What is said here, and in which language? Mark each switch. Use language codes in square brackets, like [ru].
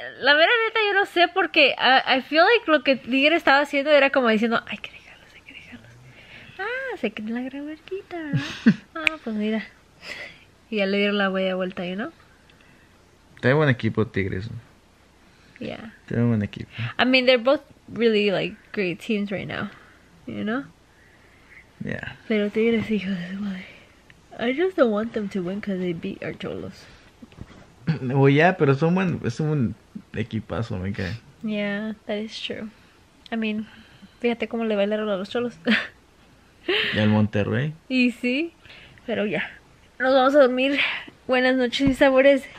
[es] La mera neta yo no sé porque [en] I feel like [es] lo que Tigre estaba haciendo era como diciendo, hay que dejarlos. Ah, se creen la gran marquita, ¿verdad? Ah, pues mira. Y ya le dieron la huella vuelta, ¿no? Tiene buen equipo Tigres. [en] Yeah. [es] Tiene buen equipo. [en] I mean, they're both really like great teams right now, you know? Yeah. [es] Pero Tigres, hijo de su madre. [en] I just don't want them to win because they beat our Cholos. Well, yeah, [es] pero es un buen equipazo, me cae. [en] Yeah, that is true. I mean, [es] fíjate cómo le bailaron a los Cholos. Del Monterrey. Y sí, pero ya. Nos vamos a dormir. Buenas noches y sabores.